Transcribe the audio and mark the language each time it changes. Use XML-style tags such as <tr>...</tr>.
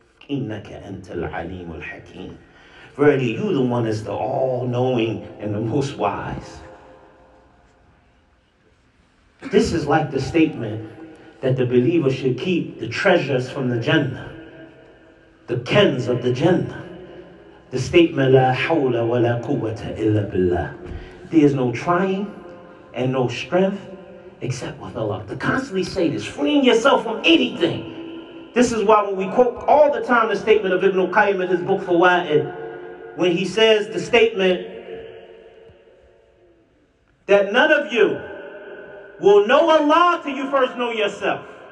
<ar>إِنَّكَ أَنْتَ الْعَلِيمُ الْحَكِيمُ.</ar> <en>Verily, you the one is the all-knowing and the most wise. This is like the statement that the believer should keep the treasures from the Jannah, the kens of the Jannah. The statement,</en> <ar>لَا حَوْلَ وَلَا قُوَّةَ إِلَّا بِاللَّهِ.</ar> <en>There is no trying and no strength except with Allah. To constantly say this, freeing yourself from anything. This is why when we quote all the time the statement of Ibn Qayyim in his book Fawaid, when he says the statement that none of you will know Allah till you first know yourself.</en>